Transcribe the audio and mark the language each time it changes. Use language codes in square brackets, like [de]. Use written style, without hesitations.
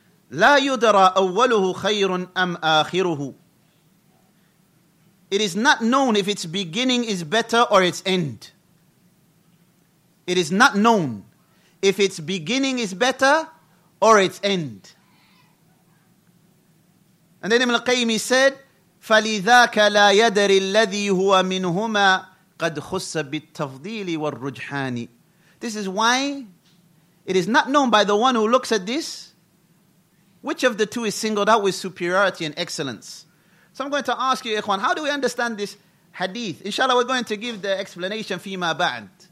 [ar] لا يدرى أوله خير أم آخره. [en] It is not known if its beginning is better or its end. It is not known if its beginning is better or its end. And then Ibn al-Qayyim said, [ar] فَلِذَاكَ لَا يَدَرِ الَّذِي هُوَ مِنْهُمَا قَدْ خُسَّ بِالتَّفْضِيلِ وَالرُّجْحَانِ. [en] This is why it is not known by the one who looks at this which of the two is singled out with superiority and excellence. So I'm going to ask you, Ikhwan, how do we understand this hadith? Inshallah, we're going to give the explanation [ar] فيما بعد.